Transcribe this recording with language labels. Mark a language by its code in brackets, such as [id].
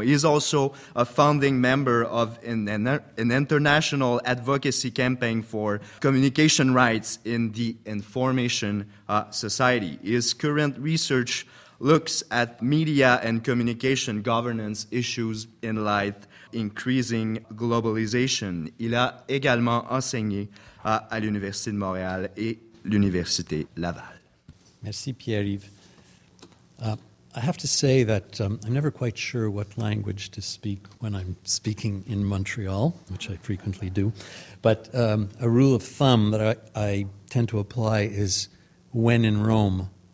[en] He is also a founding member of an international advocacy campaign for communication rights in the information society. His current research looks at media and communication governance issues in light increasing globalization. [fr] Il a également enseigné à l'Université de Montréal et l'Université Laval. Merci, Pierre-Yves. [en] I have to say that I'm never quite sure what language to speak when I'm speaking in Montreal, which I frequently do. But a rule of thumb that I tend to apply is when in Rome.